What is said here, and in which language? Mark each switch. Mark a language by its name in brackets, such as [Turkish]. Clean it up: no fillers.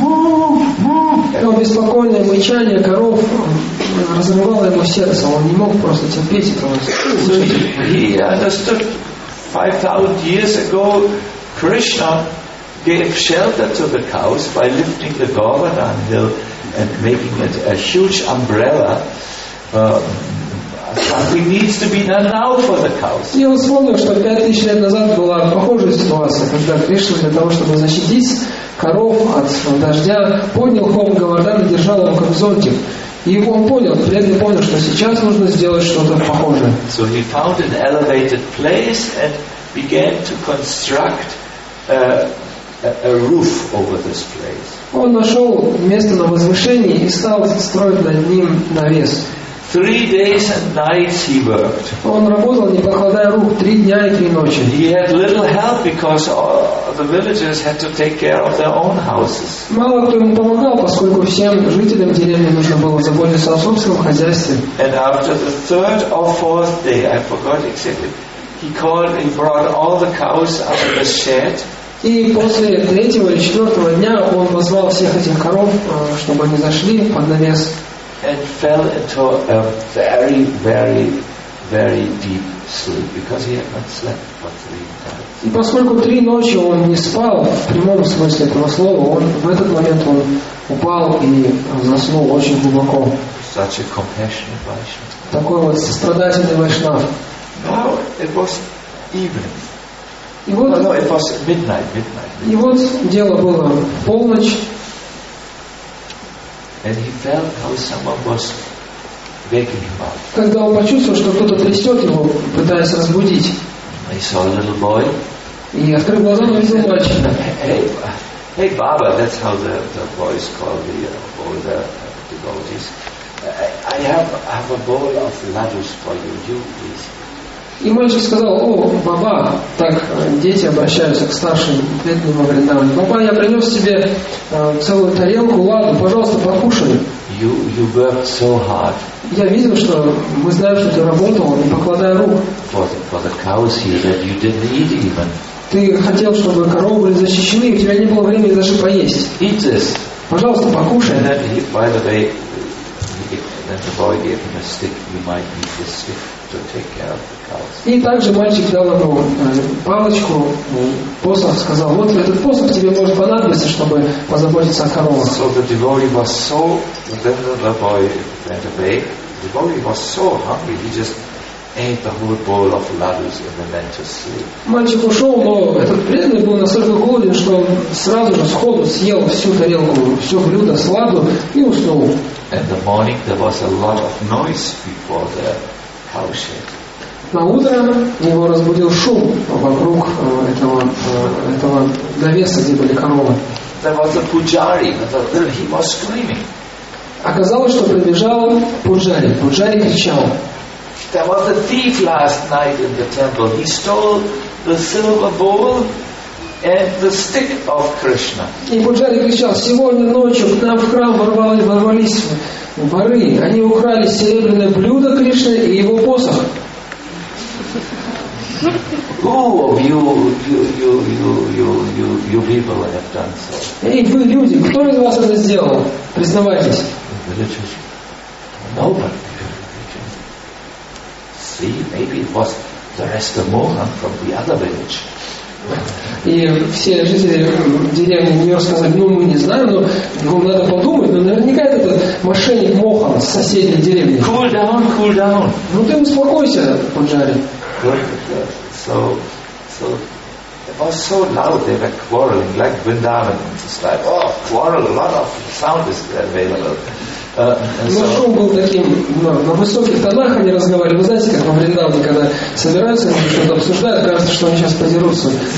[Russian] Его беспокойное мычание коров разрывало ему сердце. Он не мог просто терпеть этого. [English] He understood 5,000 years ago Krishna gave shelter to the cows by lifting the Govardhan hill and making it a huge umbrella. Something needs to be done now for the cows. [Russian] И он вспомнил, что 5000 лет назад была похожая ситуация, когда Кришна для того, чтобы защитить коров от дождя, поднял холм Говардан и держал его как зонтик. И он понял, преданный понял, что сейчас нужно сделать что-то похожее. [English] So he found an elevated place and began to construct a roof over this place. [Russian] Он нашел место на возвышении и стал строить над ним навес. [English] 3 days and nights he worked. [Russian] Он работал, не покладая рук, 3 дня и 3 ночи. [English] He had little help because the villagers had to take care of their own houses. [Russian] Мало кто ему помогал, поскольку всем жителям деревни нужно было заботиться о собственном хозяйстве. [English] And after the 3rd or 4th day, I forgot exactly, he brought all the cows out of the shed. [Russian] И после [English] 3rd or 4th day, [Russian] он позвал всех этих коров, чтобы они зашли под навес. [English] And fell into a very, very, very deep sleep because he had not slept for 3 nights. [Russian] И поскольку 3 ночи он не спал, в прямом смысле этого слова, он в этот момент он упал и заснул очень глубоко. [English] Such a compassionate Vaishnava. [Russian] Такой вот сострадательный Вайшнав. [English] Now it was evening. [Russian] И вот, [English] no, it was midnight. [Russian] И вот дело было полночь. [English] And he felt how someone was waking him up. [Russian] Когда он почувствовал, что кто-то трясет его, пытаясь разбудить. [English] He saw a little boy. [Russian] И открыл глаза, но видел мальчика. [English] Hey, Baba, that's how the boys call the older devotees. I have a bowl of laddus for you. You please. [Russian] И мальчик сказал: «О, баба», так дети обращаются к старшим преданным во Вриндаване, «баба, я принес тебе целую тарелку ладу, пожалуйста, покушай». [English] You worked so hard. [Russian] Я видел, что мы знаем, что ты работал, не покладая рук. [English] For the cows here that you didn't eat even. [Russian] Ты хотел, чтобы коровы были защищены, и у тебя не было времени даже поесть. [English] Eat this. [Russian] Пожалуйста, покушай. [English] And then the boy gave him a stick. You might need this stick to take care of. [Russian] И также мальчик дал ему палочку, посох, сказал: «Вот этот посох тебе может понадобиться, чтобы позаботиться о коровах». [English] So the devotee was so, then the boy went away. The devotee was so hungry, he just ate the whole bowl of ladus and then went to sleep. [Russian] Мальчик ушел, но этот преданный был настолько голоден, что он сразу же сходу съел всю тарелку, все блюдо с ладу и уснул. [English] And the morning there was a lot of noise before the cowshed. [Russian] На утро его разбудил шум вокруг этого навеса, где были коровы. [English] There was a pujari, he was screaming. [Russian] Оказалось, что прибежал пуджари. Пуджари кричал. [English] There was a thief last night in the temple. He stole the silver bowl and the stick of Krishna. [Russian] И пуджари кричал: «Сегодня ночью к нам в храм ворвались воры. Они украли серебряное блюдо Кришны и его посох». [English] You people have done so. [Russian] Эй, вы люди, кто из вас это сделал? Признавайтесь. [English] villages, nobody could religion. See, maybe it was the rest of Mohan from the other village. [Russian] И все жители деревни не сказали, ну мы не знаем, но вам надо подумать, но наверняка этот мошенник Мохан с соседней деревни. [English] Cool down, cool down. [Russian] Ну ты успокойся, Панджари. [English] So it was so loud they were quarreling, like Vrindavan. It's like, oh, quarrel, a lot of sound is available. [Russian] Но шум был таким, на высоких тонах они разговаривали. Вы знаете, как во Вриндаване, когда собираются, они что-то обсуждают, кажется, что они сейчас подерутся.